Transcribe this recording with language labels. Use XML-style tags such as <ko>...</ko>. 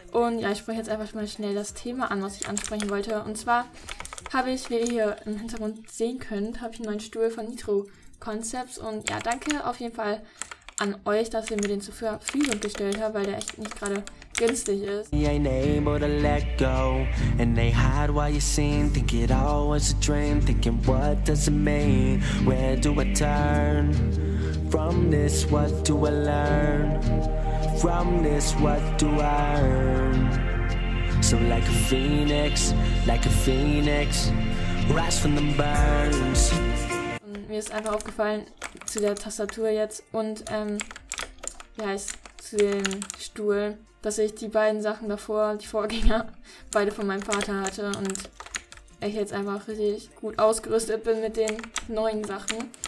<de>Und ja, ich spreche jetzt einfach mal schnell das Thema an, was ich ansprechen wollte. Und zwar habe ich, wie ihr hier im Hintergrund sehen könnt, habe ich einen neuen Stuhl von Nitro Concepts. Und ja, danke auf jeden Fall an euch, dass ihr mir den zur Verfügung gestellt habt, weil der echt nicht gerade günstig ist.</de> <en>Yeah, name or the let go. And they hide while you sing. Think it all was a dream. Thinking what does it mean? Where do I turn? From this, what do I learn? From this, what do I earn? So like a phoenix, rise from the burns.</en> <de>Mir ist einfach aufgefallen zu der Tastatur jetzt und wie heißt zu dem Stuhl, dass ich die beiden Sachen davor, die Vorgänger, beide von meinem Vater hatte und ich jetzt einfach richtig gut ausgerüstet bin mit den neuen Sachen.</de>